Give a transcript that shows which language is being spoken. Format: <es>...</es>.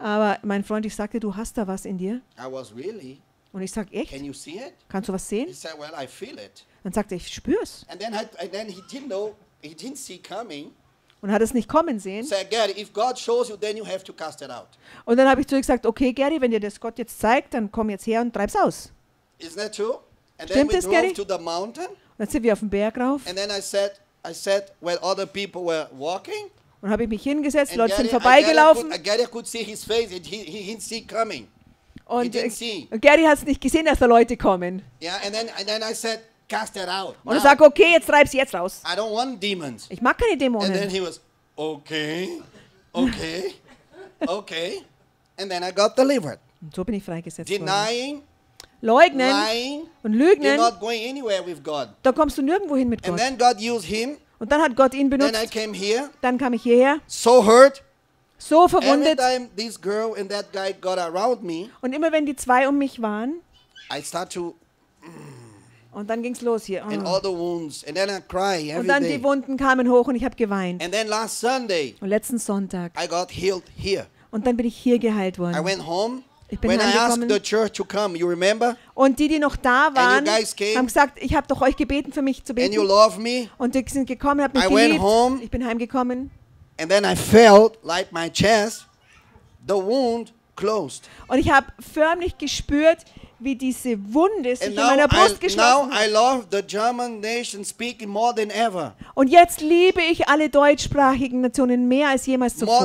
<de>Aber mein Freund, ich sagte, du hast da was in dir.</de> <en>I was really.</en> <de>Und ich sag, echt?</de> <en>Can you see it?</en> <de>Kannst du was sehen?</de> <en>He said, well, I feel it.</en> <de>Dann sagte er, ich spür's.</de> <en>And then he didn't know, he didn't see coming.</en> <de>Und hat es nicht kommen sehen.</de> <en>Said, Gary, if God shows you, then you have to cast it out.</en> <de>Und dann habe ich zu ihm gesagt, okay, Gary, wenn dir das Gott jetzt zeigt, dann komm jetzt her und treib's aus.</de> <en>Isn't that true?</en> <de>And stimmt</de> <en>then we</en> <de>das, Gary?</de> <en>To the mountain.</en> <de>Dann sind wir auf den Berg rauf.</de> <en>And then I said, I sat where other people were walking.</en> <de>Und habe ich mich hingesetzt, Leute sind vorbeigelaufen.</de> <en>Gary could see his face and he didn't see coming.</en> <de>Und Gary hat es nicht gesehen, dass da Leute kommen.</de> <en>Yeah, and then I said, cast that out.</en> <de>Und er sagt, okay, jetzt treib's jetzt raus.</de> <en>I don't want demons.</en> <de>Ich mag keine Dämonen.</de> <en>And then he was, okay, okay. And then I got delivered.</en> <de>Und so bin ich freigesetzt worden. Denying. Leugnen.</de> <en>Lying.</en> <de>Und lügen.</de> <en>You're not going anywhere with God.</en> <de>Da kommst du nirgendwo hin mit Gott.</de> <en>And then God used him.</en> <de>Und dann hat Gott ihn benutzt.</de> <en>Then I came here.</en> <de>Dann kam ich hierher.</de> <en>So hurt.</en> <de>So verwundet.</de> <en>Every time this girl and that guy got around me.</en> <de>Und immer wenn die zwei um mich waren.</de> <en>I start to.</en> <de>Und dann ging's los hier.</de> <en>And all the wounds. And then I cry every day.</en> <de>Und dann</de> <en>day.</en> <de>Die Wunden kamen hoch und ich habe geweint.</de> <en>And then last Sunday.</en> <de>Und letzten Sonntag.</de> <en>I got healed here.</en> <de>Und dann bin ich hier geheilt worden.</de> <en>I went home.</en> <de>Ich bin</de> <en>when I asked the church to come, you remember?</en> <de>Und die noch da waren,</de> <en>and you guys came,</en> <de>haben gesagt, ich habe doch euch gebeten, für mich zu beten.</de> <en>And you love me.</en> <de>Und die sind gekommen, habt mich</de> <en>I</en> <de>geliebt.</de> <en>Went home,</en> <de>ich bin heimgekommen.</de> <en>And then I felt like my chest, the wound closed.</en> <de>Und ich habe förmlich gespürt, wie diese Wunde sich in meiner Brust geschlossen hat.</de> <en>Now I love the German nation speaking more than ever.</en> <de>Und jetzt liebe ich alle deutschsprachigen Nationen mehr als jemals zuvor.</de>